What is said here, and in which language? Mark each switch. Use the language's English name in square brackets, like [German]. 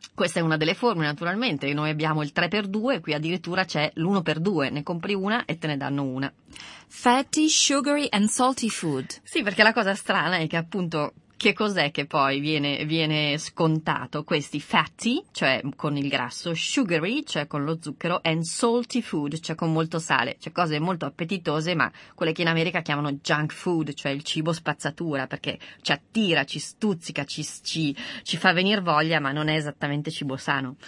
[Italian] Questa è una delle formule, naturalmente. Noi abbiamo il 3x2, qui addirittura c'è l'1x2, ne compri una e te ne danno una. [English] Fatty, sugary and salty food. [Italian] Sì, perché la cosa strana è che appunto, che cos'è che poi viene scontato? Questi fatty, cioè con il grasso, sugary, cioè con lo zucchero, [English] and salty food, [Italian] cioè con molto sale. Cioè cose molto appetitose, ma quelle che in America chiamano junk food, cioè il cibo spazzatura, perché ci attira, ci stuzzica, ci fa venire voglia, ma non è esattamente cibo sano.